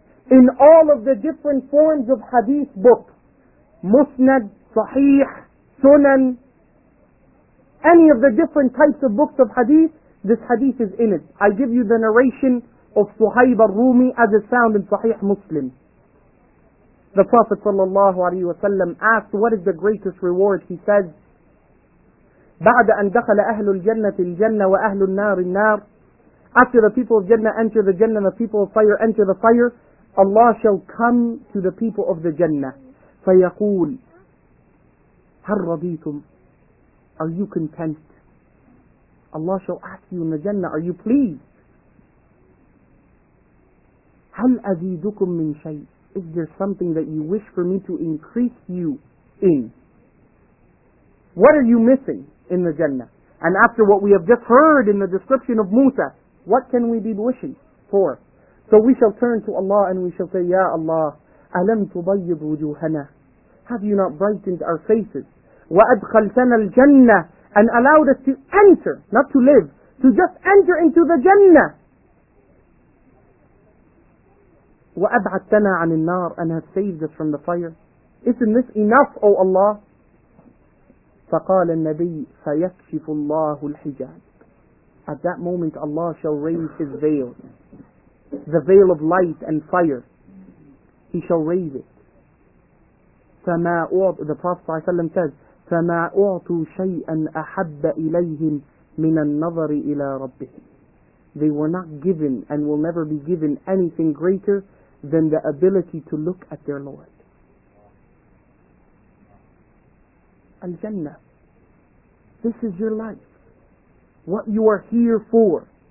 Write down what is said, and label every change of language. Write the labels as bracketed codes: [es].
[en] In all of the different forms of hadith books, Musnad, Sahih, Sunan, any of the different types of books of hadith, this hadith is in it. I give you the narration of Suhaib al-Rumi as it's found in Sahih Muslim. The Prophet sallallahu alayhi wa sallam asked, what is the greatest reward? He says, [ar] بعد أن دخل أهل الجنة الجنة وأهل النار النار. [en] After the people of Jannah enter the Jannah, the people of fire enter the fire, Allah shall come to the people of the Jannah. [ar] فيقول هل رضيتم? [en] Are you content? Allah shall ask you in the Jannah, are you pleased? [ar] هل أزيدكم من شيء? [en] Is there something that you wish for me to increase you in? What are you missing in the Jannah? And after what we have just heard in the description of Musa, what can we be wishing for? So we shall turn to Allah and we shall say, Ya Allah, [ar] أَلَمْ تُبَيِّضُ وُجُوهَنَا? [en] Have you not brightened our faces? [ar] وَأَدْخَلْتَنَا الْجَنَّةِ? [en] And allowed us to enter, not to live, to just enter into the Jannah. [ar] وَأَبْعَدْتَنَا عَنِ النَّارِ? [en] And have saved us from the fire. Isn't this enough, O Allah? [ar] فقال النبي سيكشف الله الحجاب. [en] At that moment Allah shall raise his veil, the veil of light and fire. He shall raise it. [ar] فما أعطوا, [en] the Prophet [ar] صلى الله عليه وسلم says, فما أعطوا شيئا أحب إليهم من النظر إلى ربهم. [en] They were not given and will never be given anything greater than the ability to look at their Lord. Al-Jannah, this is your life, what you are here for.